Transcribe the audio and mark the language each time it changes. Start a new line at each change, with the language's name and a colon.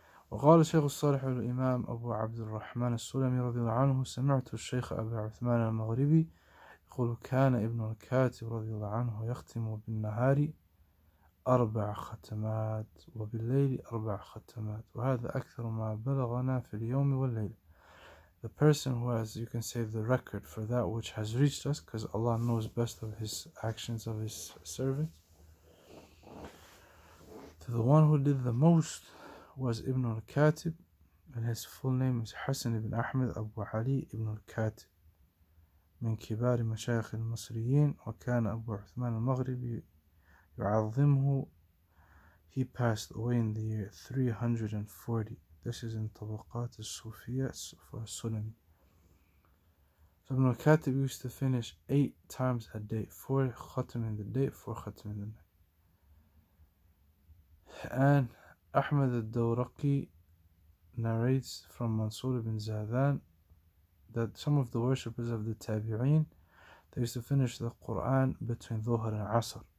Arabic: وقال الشيخ الصالح الإمام أبو عبد الرحمن السلمي رضي الله عنه سمعت الشيخ أبي عثمان المغربي يقول كان ابن الكاتب رضي الله عنه يختم بالنهار أربع ختمات وبالليل أربع ختمات وهذا أكثر ما بلغنا في اليوم والليل.
English: The person who has, you can say, the record for that which has reached us, because Allah knows best of his actions of his servants. To the one who did the most was Ibn al-Katib, and his full name is Hassan ibn Ahmed Abu Ali ibn al-Katib.
Arabic: من كبار مشايخ المصريين وكان أبو عثمان المغربي يعظمه.
English: He passed away in the year 340. This is in Tabaqat al-Sufiyya for Sulami. So Ibn al-Katib used to finish eight times a day, four khatam in the day, four khatam in the night. And Ahmad al-Dawraqi narrates from Mansur ibn Zadan that some of the worshippers of the Tabi'een, they used to finish the Quran between Dhuhr and Asr.